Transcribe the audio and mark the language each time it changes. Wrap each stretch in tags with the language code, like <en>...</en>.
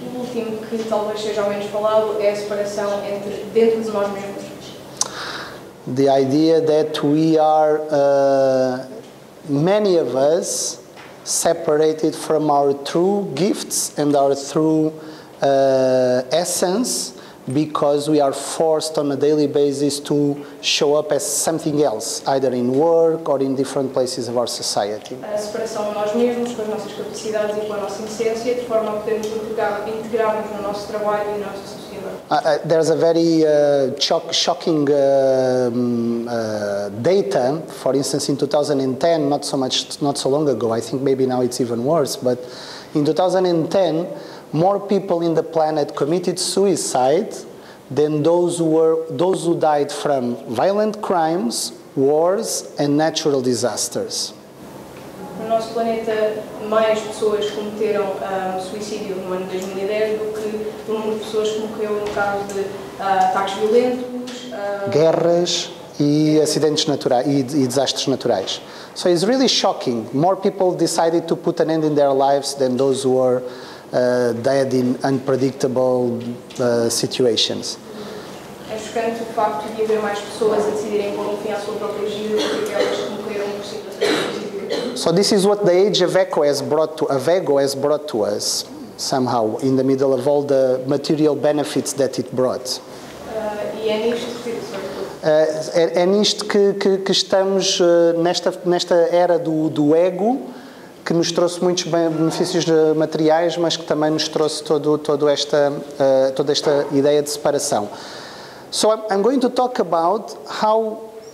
<en>The idea that we are, many of us, separated from our true gifts and our true essence because we are forced on a daily basis to show up as something else, either in work or in different places of our society.</en> <pt>A separação de nós mesmos, com as nossas capacidades e com a nossa essência, de forma a podermos integrarmos no nosso trabalho e na nossa sociedade.</pt> <en>There's a very shocking data, for instance, in 2010, not so long ago, I think maybe now it's even worse, but in 2010, more people in the planet committed suicide than those who died from violent crimes, wars, and natural disasters.</en> <pt>No nosso planeta, mais pessoas cometeram suicídio no ano de 2010 do que o número de pessoas que morreu no caso de ataques violentos, guerras e acidentes naturais e desastres naturais.</pt> <en>So it's really shocking. More people decided to put an end in their lives than those who were dead in unpredictable situations.</en> <pt>É chocante o facto de haver mais pessoas a decidirem pôr um fim à sua própria vida do que aquelas que morreram por situações.</pt> <en>So this is what the age of ego has brought to us somehow in the middle of all the material benefits that it brought.</en> <pt>É nisto que estamos nesta era do ego, que nos trouxe muitos benefícios materiais, mas que também nos trouxe toda esta ideia de separação.</pt> <en>So I'm going to talk about how</en>